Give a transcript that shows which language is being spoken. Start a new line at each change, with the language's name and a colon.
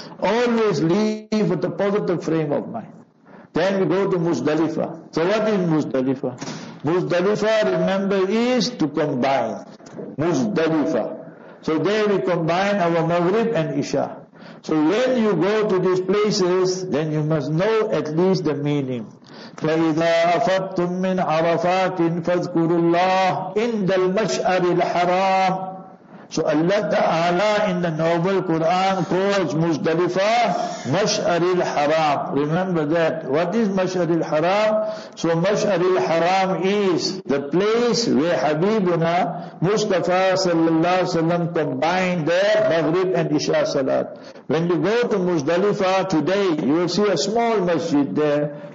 English: Always leave with a positive frame of mind. Then we go to Muzdalifah. So what is Muzdalifah? Muzdalifah, remember, is to combine. Muzdalifah. So there we combine our Maghrib and Isha. So when you go to these places, then you must know at least the meaning.
Arabic: فَإِذَا أَفَضْتُمْ مِنْ عَرَفَاتٍ فَاذْكُرُوا اللَّهِ إِنْدَ الْمَشْأَرِ الْحَرَامِ
English: So Allah Ta'ala in the noble Quran calls Muzdalifah مَشْأَرِ الْحَرَامِ. Remember that. What is مَشْأَرِ الْحَرَامِ? So مَشْأَرِ الْحَرَامِ is the place where Habibuna Mustafa sallallahu alayhi wa sallam combined their Maghrib and Isha Salat. When you go to Muzdalifah today, you will see a small masjid there.